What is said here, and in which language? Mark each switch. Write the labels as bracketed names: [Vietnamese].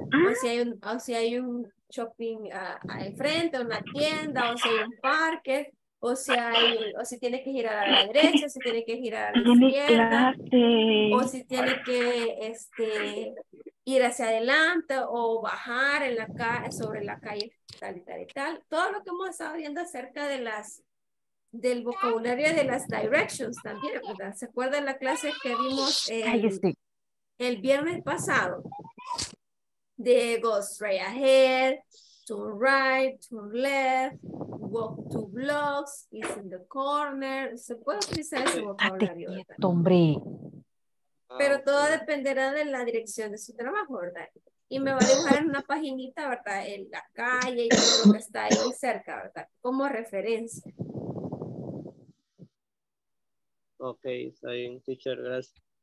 [Spanish] O si hay un shopping ahí enfrente, una tienda, o si hay un parque, o si tiene que girar a la derecha, si tiene que girar a la izquierda, o si tiene que ir hacia adelante o bajar en la sobre la calle tal y tal y tal. Todo lo que hemos estado viendo acerca de las... del vocabulario de las directions también, ¿verdad? ¿Se acuerdan la clase que vimos el viernes pasado? [English] De go straight ahead, turn right, turn left, walk two blocks, it's in the corner. [Spanish] ¿Se puede utilizar ese vocabulario? Pero todo dependerá de la dirección de su trabajo, ¿verdad? Y me va a dejar en una paginita, ¿verdad? En la calle y todo lo que está ahí cerca, ¿verdad? Como referencia. Ok, está bien, teacher, gracias.